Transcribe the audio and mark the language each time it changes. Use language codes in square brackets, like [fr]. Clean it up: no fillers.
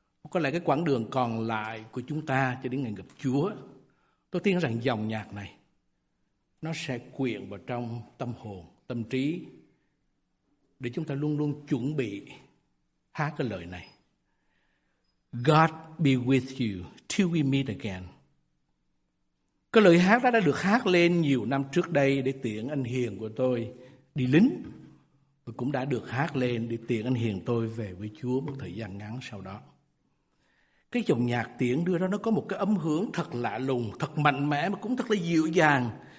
[vi] Có lẽ cái quãng đường còn lại của chúng ta cho đến ngày gặp Chúa, tôi tin rằng dòng nhạc này nó sẽ quyện vào trong tâm hồn, tâm trí để chúng ta luôn luôn chuẩn bị hát cái lời này. [en] God be with you till we meet again. [vi] Cái lời hát đó đã được hát lên nhiều năm trước đây để tiễn anh Hiền của tôi đi lính. Và cũng đã được hát lên để tiễn anh Hiền tôi về với Chúa một thời gian ngắn sau đó. Cái dòng nhạc tiễn đưa ra nó có một cái âm hưởng thật lạ lùng, thật mạnh mẽ mà cũng thật là dịu dàng.